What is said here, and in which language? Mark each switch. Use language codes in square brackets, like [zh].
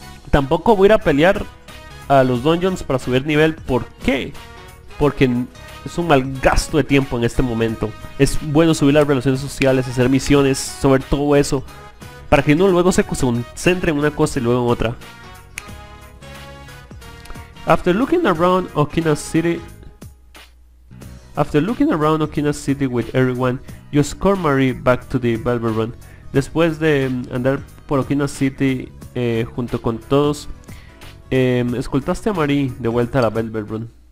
[es] Tampoco voy a ir a pelear a los dungeons para subir nivel. ¿Por qué? Porque es un mal gasto de tiempo en este momento. Es bueno subir las relaciones sociales, hacer misiones, sobre todo eso, para que uno luego se concentre en una cosa y luego en otra. [en] After looking around Okina City with everyone, you escort Marie back to the Velvet Run. [es] Después de andar por Okina City junto con todos, escoltaste a Marie de vuelta a la Velvet Run.